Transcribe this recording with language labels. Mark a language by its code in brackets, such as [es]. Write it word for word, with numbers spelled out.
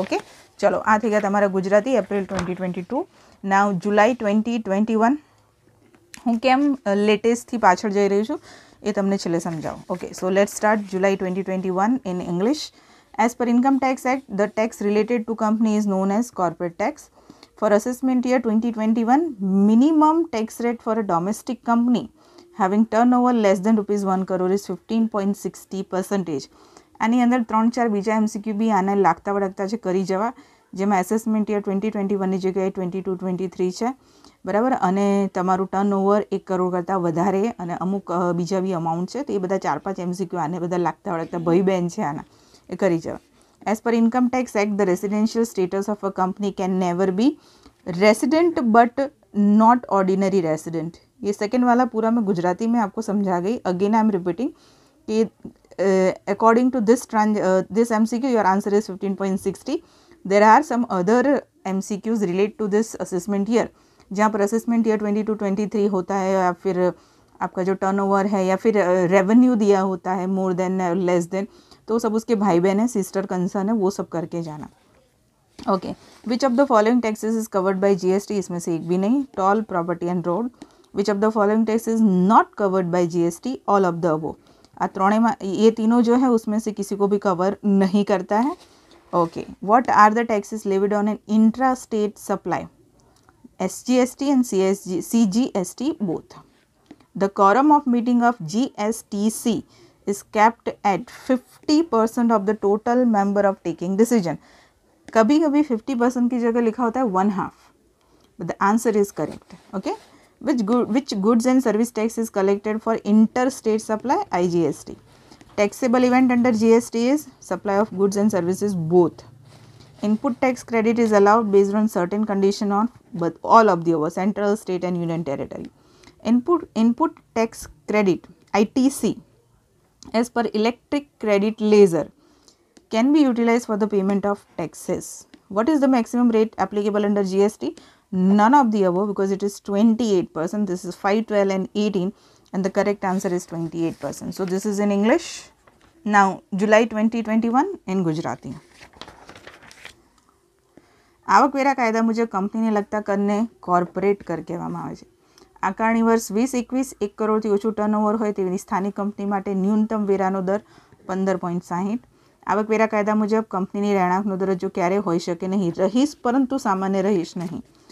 [gu] Okay, ચલો, આ થઈ ગયા તમારા Gujarati April twenty twenty two. નાવ જુલાઈ ટ્વેન્ટી ટ્વેન્ટી વન। હું કેમ લેટેસ્ટથી પાછળ જઈ રહી છું એ તમને છેલ્લે સમજાવું। [en] Okay, so let start July twenty twenty one in English. As per income tax act the tax related to company is known as corporate tax. For assessment year twenty twenty-one, minimum tax rate for a domestic company having turnover less than rupees one crore is fifteen point sixty percentage. [gu] આની અંદર ત્રણ ચાર બીજા MCQ બી આને લાગતા વળગતા છે કરી જવા, જેમાં એસેસમેન્ટ યર ટ્વેન્ટી ટ્વેન્ટી વનની જગ્યાએ ટ્વેન્ટી ટુ ટ્વેન્ટી થ્રી છે બરાબર, અને તમારું ટર્નઓવર એક કરોડ કરતાં વધારે અને અમુક અ, બીજા બી અમાઉન્ટ છે, તો એ બધા ચાર પાંચ એમસીક્યુ આને બધા લાગતા વળગતા ભાઈ બહેન છે આના, એ કરી જવા. [en] As per Income Tax Act, the residential status of a company can never be resident but not ordinary resident. [hi] ये second वाला पूरा मैं गुजराती में आपको समझा गई. [en] Again, I am repeating कि uh, according to this trans, uh, this M C Q, your answer is fifteen point sixty. There are some other M C Qs relate to this assessment year, [hi] जहाँ पर assessment year twenty two twenty three होता है, या फिर uh, आपका जो turnover है, या फिर रेवेन्यू दिया होता है मोर देन लेस देन, तो सब उसके भाई बहन है, सिस्टर कंसर्न है, वो सब करके जाना. [en] okay, which of the following taxes is covered by GST, [hi] इसमें से एक भी नहीं. [en] Toll, property and road. Which of the following tax is not covered by GST, all of the above. [hi] आ त्रोणे में ये तीनों जो है उसमें से किसी को भी कवर नहीं करता है. [en] Okay, what are the taxes levied on an intra state supply, S G S T and C S G C G S T both. The quorum of meeting of G S T C is kept at fifty percent of the total member of taking decision. [hi] कभी कभी fifty percent की जगह लिखा होता है one half, [en] But the answer is correct. Okay, which good which goods and service tax is collected for inter state supply, I G S T. Taxable event under G S T is supply of goods and services both. Input tax credit is allowed based on certain condition on but all of the above, central, state and union territory. Input input tax credit I T C as per electric credit laser can be utilized for the payment of taxes. What is the maximum rate applicable under G S T? None of the above, because it is twenty-eight percent. This is five, twelve, and eighteen, and the correct answer is twenty-eight percent. So this is in English. Now, July twenty twenty-one in Gujarati. [gu] આવકવેરા કાયદા મુજબ કંપનીને લગતા કરને corporate કર કહેવામાં આવે છે. આકારણી વર્ષ વીસ એકવીસ એક કરોડથી ઓછું ટર્નઓવર હોય તેવી સ્થાનિક કંપની માટે ન્યૂનતમ વેરાનો દર પંદર પોઈન્ટ સાહીઠ. આવકવેરા કાયદા મુજબ કંપનીની રહેણાંકનો દરજ્જો ક્યારે હોઈ શકે નહીં, રહીશ પરંતુ સામાન્ય રહીશ નહીં.